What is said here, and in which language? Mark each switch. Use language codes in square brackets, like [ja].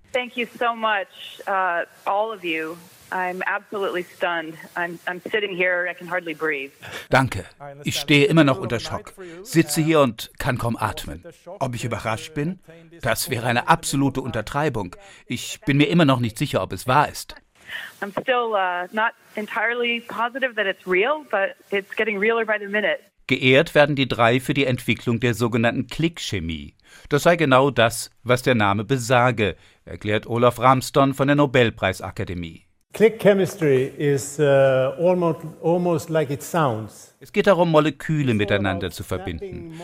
[en] Thank you so much, all of you. I'm absolutely stunned. I'm sitting here, I can hardly breathe. [de] Danke. Ich stehe immer noch unter Schock, sitze hier und kann kaum atmen. Ob ich überrascht bin? Das wäre eine absolute Untertreibung. Ich bin mir immer noch nicht sicher, ob es wahr ist. [en] I'm still not entirely positive that it's real, but it's getting realer by the minute. [de] Geehrt werden die drei für die Entwicklung der sogenannten Klickchemie. Das sei genau das, was der Name besage, erklärt Olaf Ramston von der Nobelpreisakademie. [en] Click chemistry is almost like it sounds. [de] Es geht darum, Moleküle miteinander zu verbinden.